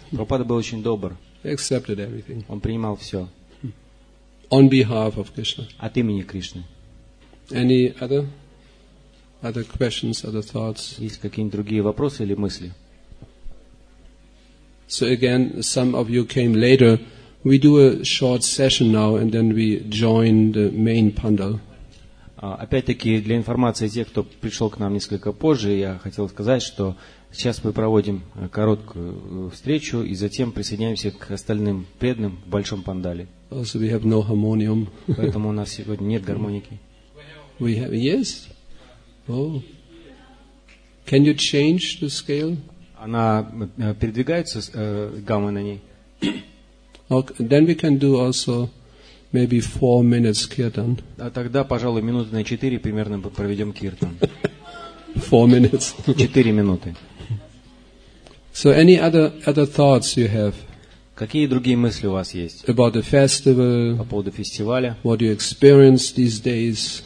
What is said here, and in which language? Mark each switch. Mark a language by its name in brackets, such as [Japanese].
[Russian] Прабхупада был очень добр. [English] He accepted everything. [Russian] Он принимал все. [English] On behalf of Krishna. [Russian] От имени Кришны. [English] Any other questions, other thoughts? [Russian] Есть какие-нибудь другие вопросы или мысли? [English] So again, some of you came later. We do a short session now, and then we join the main pandal. [Russian] Опять-таки, для информации тех, кто пришел к нам несколько позже, я хотел сказать, что сейчас мы проводим короткую встречу, и затем присоединяемся к остальным преданным в большом пандале. [English] Also, we have no harmonium. [Russian] Поэтому у нас сегодня нет гармоники. [English] We have we have, yes. Oh. Can you change the scale? [Russian] Она передвигается, гамма на ней. [English] Okay, then we can do also maybe 4 minutes kirtan. [Russian] А тогда, пожалуй, минуты на 4 примерно проведем киртан. [English] 4 minutes. [Russian] 4 минуты. [English] So any other thoughts you have? [Russian] Какие другие мысли у вас есть? [English] About the festival. [Russian] По поводу фестиваля. [English] What you experienced these days?